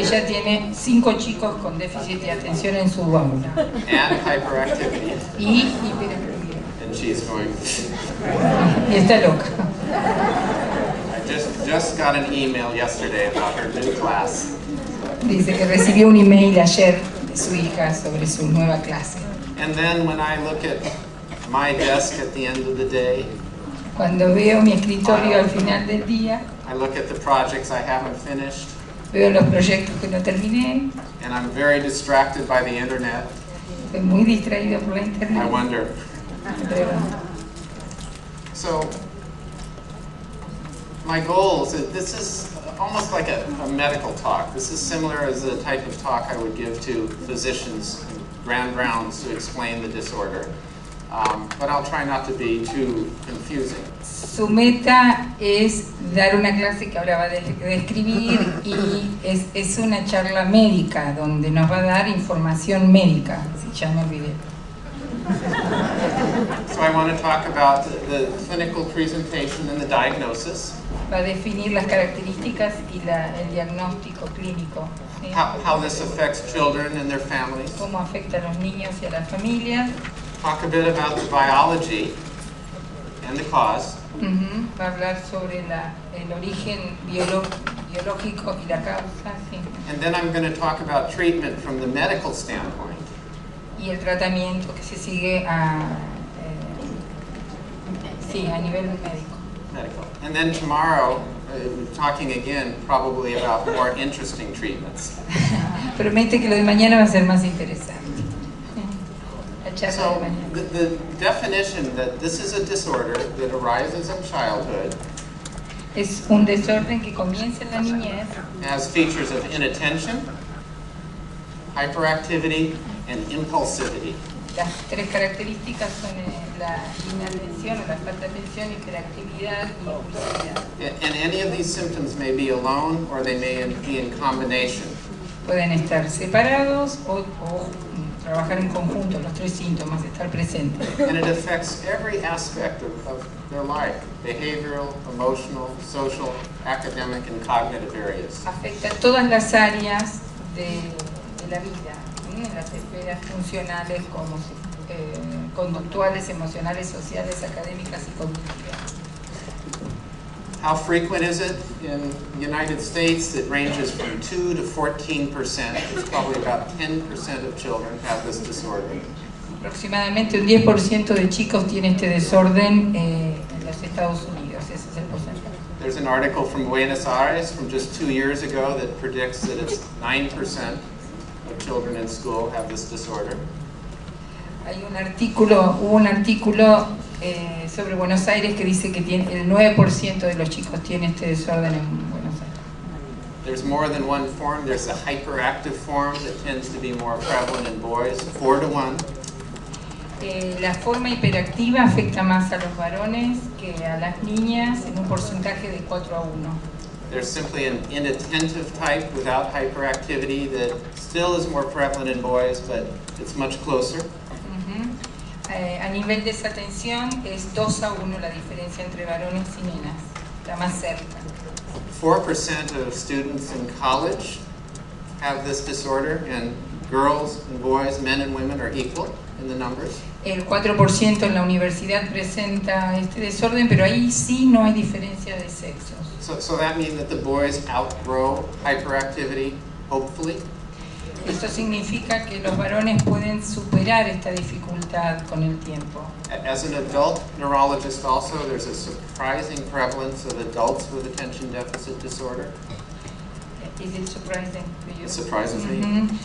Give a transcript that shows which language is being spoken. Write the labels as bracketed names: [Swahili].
[Spanish] Y ella tiene 5 chicos con déficit de atención en su aula. [English] And hyperactivity. [Spanish] Y hiperactividad. [English] And she's going. [Spanish] Y está loca. [English] I just got an email yesterday about her new class. [Spanish] Dice que recibió un email ayer de su hija sobre su nueva clase. [English] And then when I look at my desk at the end of the day, [Spanish] cuando veo mi escritorio al final del día, [English] I look at the projects I haven't finished, [Spanish] veo los proyectos que no terminé, [English] and I'm very distracted by the internet. [Spanish] Estoy muy distraído por la internet. [English] I wonder. So, my goals, this is almost like a medical talk. This is similar as the type of talk I would give to physicians, grand rounds to explain the disorder. But I'll try not to be too confusing. [Spanish] Su meta es dar una clase que ahora va a describir y es una charla médica donde nos va a dar información médica, si ya me olvidé. So I want to talk about the clinical presentation and the diagnosis. Va a definir las características y el diagnóstico clínico. ¿Sí? [English] How this affects children and their families. [Spanish] Cómo afecta a los niños y a la familia. [English] Talk a bit about the biology and the cause. Mm-hmm. [Spanish] Va a hablar sobre el origen biológico y la causa. Sí. [English] And then I'm going to talk about treatment from the medical standpoint. [Spanish] Y el tratamiento que se sigue a nivel médico. [English] Medical. And then tomorrow, talking again, probably about more interesting treatments. [Spanish] Promete que lo de mañana va a ser más interesante. [English] So, the definition that this is a disorder that arises in childhood. [Spanish] Es un desorden que comienza en la niñez. [English] Has features of inattention, hyperactivity, and impulsivity. [Spanish] Las tres características son la inatención, la falta de atención, hiperactividad y impulsividad. [English] And any of these symptoms may be alone or they may be in combination. [Spanish] Pueden estar separados o trabajar en conjunto los tres síntomas, estar presentes. [English] And it affects every aspect of their life, behavioral, emotional, social, academic and cognitive areas. [Spanish] Afecta todas las áreas de la vida. En las esferas funcionales como conductuales, emocionales, sociales, académicas y cognitivas. [English] How frequent is it in the United States? It ranges from 2 to 14%. It's probably about 10% of children have this disorder. [Spanish] Aproximadamente un 10% de chicos tiene este desorden en los Estados Unidos. Ese es el porcentaje. [English] There's an article from Buenos Aires from just 2 years ago that predicts that it's 9%. Children in school have this disorder. [Spanish] Hay un artículo, hubo un artículo sobre Buenos Aires que dice que tiene el 9% de los chicos tiene este desorden en Buenos Aires. [English] There's more than one form. There's a hyperactive form that tends to be more prevalent in boys, 4 to 1. [Spanish] La forma hiperactiva afecta más a los varones que a las niñas en un porcentaje de 4 to 1. [English] There's simply an inattentive type without hyperactivity that still is more prevalent in boys, but it's much closer. [Spanish] Mm-hmm. A nivel de desatención es 2 to 1 la diferencia entre varones y nenas, la más cerca. [English] 4% of students in college have this disorder, and girls and boys, men and women are equal in the numbers. [Spanish] El 4% en la universidad presenta este desorden, pero ahí sí no hay diferencia de sexos. [English] So that means that the boys outgrow hyperactivity, hopefully. [Spanish] Esto significa que los varones pueden superar esta dificultad con el tiempo. [English] As an adult neurologist also, there's a surprising prevalence of adults with attention deficit disorder. Is it surprising for you? It surprises me.